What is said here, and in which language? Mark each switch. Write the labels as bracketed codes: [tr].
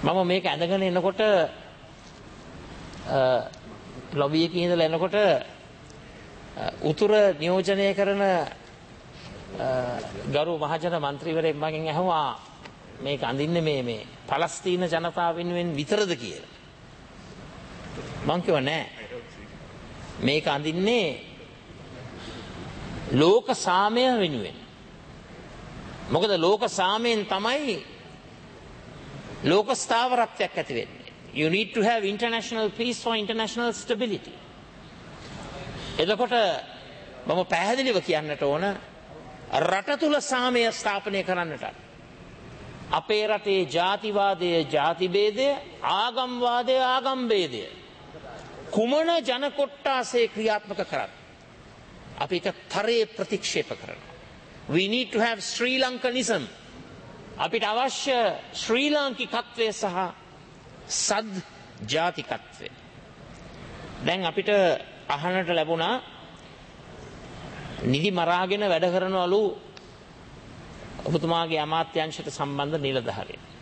[si] මම මේක ඇඳගෙන එනකොට ලොබියක ඉඳලා එනකොට උතුර නියෝජනය කරන ගරු මහජන මන්ත්‍රීවරයෙක් මගෙන් ඇහුවා මේක අඳින්නේ මේ පලස්තීන ජනතාව වෙනුවෙන් විතරද කියලා. මං කිව්වා නෑ. මේක අඳින්නේ ලෝක සාමය වෙනුවෙන්. මොකද ලෝක සාමයෙන් තමයි ලෝක ස්ථාවරත්වයක් ඇති වෙන්නේ. [en] You need to have international peace for international stability. [si] එතකොට මම පැහැදිලිව කියන්නට ඕන රට තුල සාමය ස්ථාපනය කරන්නට. අපේ රටේ ජාතිවාදය ජාති භේදය, ආගම්වාදය ආගම් භේදය කුමන ජන කොට්ටාසේ ක්‍රියාත්මක කරත් අපි එක තරයේ ප්‍රතික්ෂේප කරනවා. [en] We need to have Sri Lankanism. [si] අපිට අවශ්‍ය ශ්‍රී ලාංකිකත්වය සහ සද් ජාතිකත්වය. දැන් අපිට අහන්නට ලැබුණා නිදි මරාගෙන වැඩ කරනවලු ඔබතුමාගේ අමාත්‍යංශයට සම්බන්ධ නිලධාරිය.